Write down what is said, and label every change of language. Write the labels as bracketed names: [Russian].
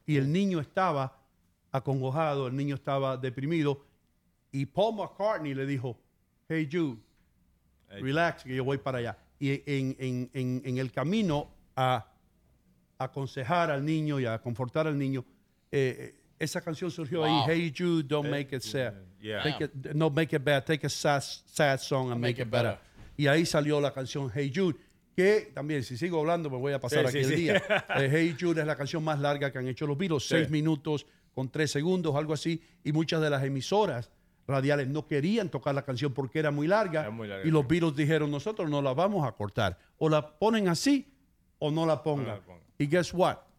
[Spanish] Y el niño estaba acongojado, el niño estaba deprimido. Y Paul McCartney le dijo, hey Jude, relax, que yo voy para allá. Y en el camino a aconsejar al niño y a confortar al niño, esa canción surgió ahí. [English] Hey Jude, don't make it sad, take a sad song and make it better. [Spanish] Y ahí salió la canción Hey Jude, que también, si sigo hablando, me voy a pasar aquí el día. Hey Jude es la canción más larga que han hecho los Beatles, 6 minutos con 3 segundos, algo así. Y muchas de las emisoras radiales no querían tocar la canción porque era muy larga. Y los Beatles dijeron, nosotros no la vamos a cortar. O la ponen así o no la pongan. Y [English] guess what?